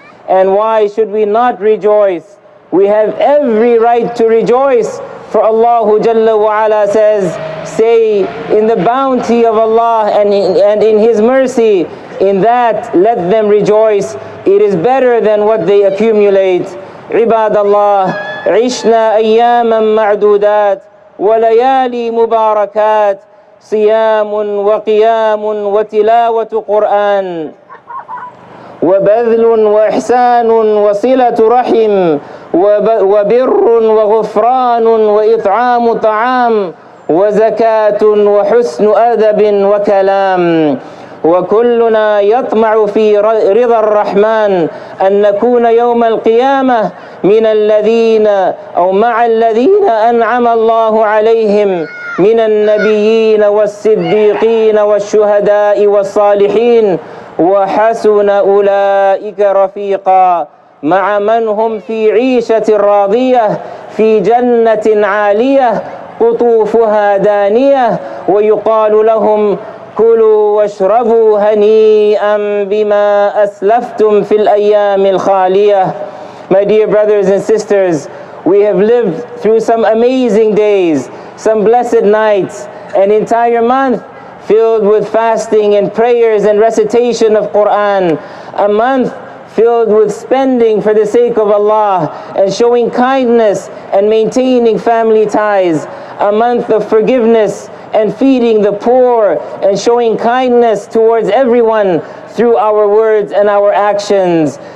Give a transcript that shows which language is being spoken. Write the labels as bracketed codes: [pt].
[en] And why should we not rejoice? We have every right to rejoice, for Allah Jalla wa Ala says, say, in the bounty of Allah and in His mercy, in that let them rejoice. It is better than what they accumulate. [ar] عباد الله عشنا أياما معدودات وليالي مباركات صيام وقيام وتلاوة قرآن وبذل وإحسان وصلة رحم وبر وغفران وإطعام طعام وزكاة وحسن أدب وكلام وكلنا يطمع في رضا الرحمن أن نكون يوم القيامة من الذين أو مع الذين أنعم الله عليهم من النبيين والصديقين والشهداء والصالحين وحسن أولئك رفيقا مع من هم في عيشة راضية في جنة عالية قطوفها دانية ويقال لهم كلوا واشربوا هنيئا بما أسلفتم في الأيام الخالية. [en] My dear brothers and sisters, we have lived through some amazing days, some blessed nights, an entire month filled with fasting and prayers and recitation of Quran, a month filled with spending for the sake of Allah and showing kindness and maintaining family ties, a month of forgiveness and feeding the poor and showing kindness towards everyone through our words and our actions.